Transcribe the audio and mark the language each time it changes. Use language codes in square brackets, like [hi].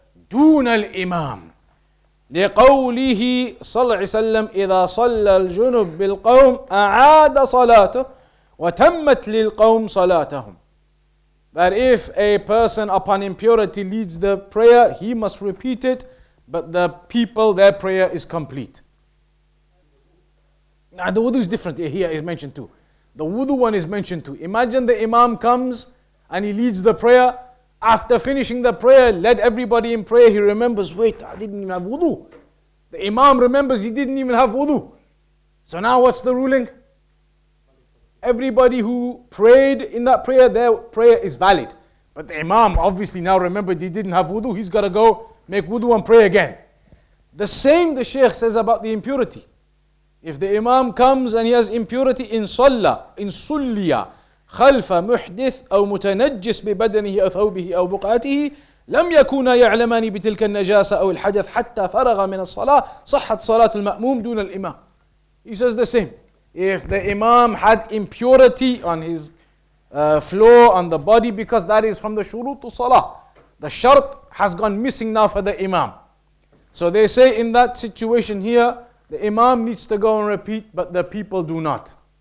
[ar] دون الإمام لقوله صلى الله عليه وسلم إذا صلى الجنب بالقوم أعاد صلاته وتمت للقوم صلاتهم. [en] That if a person upon impurity leads the prayer, he must repeat it, but the people, their prayer is complete. Now the wudu is different here, is mentioned too. The wudu one is mentioned too. Imagine the imam comes and he leads the prayer. After finishing the prayer, led everybody in prayer, he remembers, wait, I didn't even have wudu. The imam remembers he didn't even have wudu. So now what's the ruling? Everybody who prayed in that prayer, their prayer is valid. But the imam obviously now remembered he didn't have wudu. He's got to go make wudu and pray again. The same the sheikh says about the impurity. If the imam comes and he has impurity in sallah, in sulliyah, [ar] خلف محدث أو متنجس ببدنه أو ثوبه أو بقعته لم يكونا يعلمان بتلك النجاسة أو الحدث حتى فرغ من الصلاة صحت صلاة المأموم دون الإمام. [en] He says the same. If the imam had impurity on his floor, on the body, because that is from the shurut to salah, the shart has gone missing now for the imam. So they say in that situation here, the imam needs to go and repeat, but the people do not.